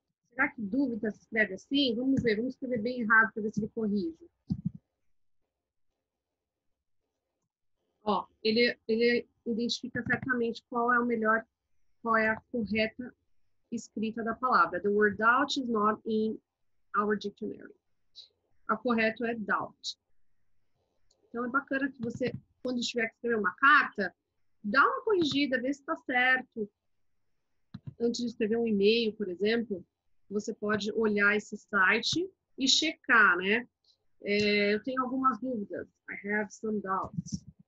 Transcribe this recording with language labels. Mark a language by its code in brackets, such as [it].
[pt] Será que dúvida se escreve assim? Vamos ver, vamos escrever bem errado para ver se ele corrige. Ó, ele identifica certamente qual é o melhor, qual é a correta escrita da palavra. [en] The word doubt is not in our dictionary. [pt] A correta é doubt. Então é bacana que você, quando estiver escrevendo uma carta, dá uma corrigida, vê se está certo. Antes de escrever um e-mail, por exemplo, você pode olhar esse site e checar, né? É, eu tenho algumas dúvidas. [en] I have some doubts.